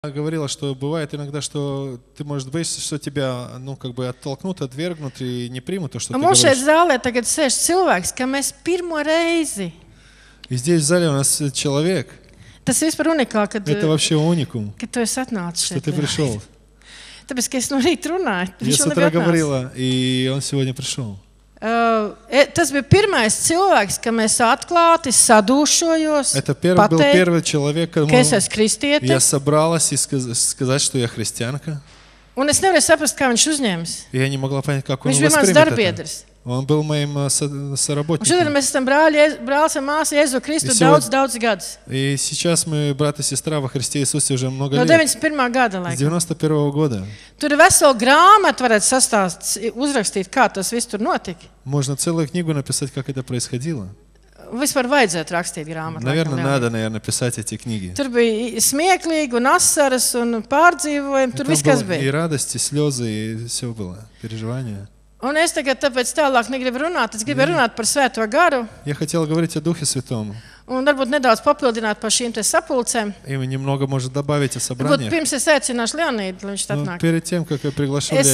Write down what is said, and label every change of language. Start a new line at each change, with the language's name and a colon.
Russian: говорила, что бывает иногда, что ты можешь бояться, что тебя, ну, как бы оттолкнут, отвергнут и не примут то, что ты говоришь.
Latvian: Mums šeit zālē tagad sēž cilvēks, ka mēs pirmo reizi.
Russian: И здесь в зале у нас человек.
Latvian: Tas vispār unikāli, kad
Russian: Это вообще уникум.
Latvian: Kad tu esi atnācis šeit.
Russian: Что ты пришёл?
Latvian: Tāpēc, ka es no rīta runāju, viņš jau nebija
Russian: говорила, и он сегодня пришёл.
Latvian: Tas bija pirmais cilvēks, kam es atklāti sadūšojos.
Russian: Это был первый человек, кому
Latvian: Ka es esmu kristiete.
Russian: Я собралась и сказать, что я христианка.
Latvian: Un es nevarēju saprast, kā viņš uzņēmis.
Russian: Я не могла понять, как он воспринял.
Latvian: Viņš bija mans darbiedrs.
Russian: Он был моим соработником.
Latvian: Šodien mēs esam brāli un māsa Jēzus Kristu daudz gadus.
Russian: И сейчас мы брат и сестра во Христе Иисусе уже много лет.
Latvian: No 91. Gada laikā.
Russian: 91. Года.
Latvian: Tur ir vesela grāmata, varētu sastāst, uzrakstīt, kā tas viss tur notika.
Russian: Можно целую книгу написать, как это происходило.
Latvian: Vispār vajadzētu rakstīt grāmatu.
Russian: Наверное, надо, наверное, писать эти книги.
Latvian: Tur bija smieklīgi un asaras un pārdzīvojumi, tur viskas bija.
Russian: И радости, слёзы, и всё было, переживания.
Latvian: Un es tagad tāpēc tālāk negribu runāt, es gribu runāt par Svēto Garu.
Russian: Я хотел говорить о Духе Святом.
Latvian: Un varbūt nedaudz papildināt par šīm te sapulcēm.
Russian: И немного может добавить о собраниях. Вот пимся сеценаш Леонид, он что-то так. Перед тем, как я приглашу Леонида.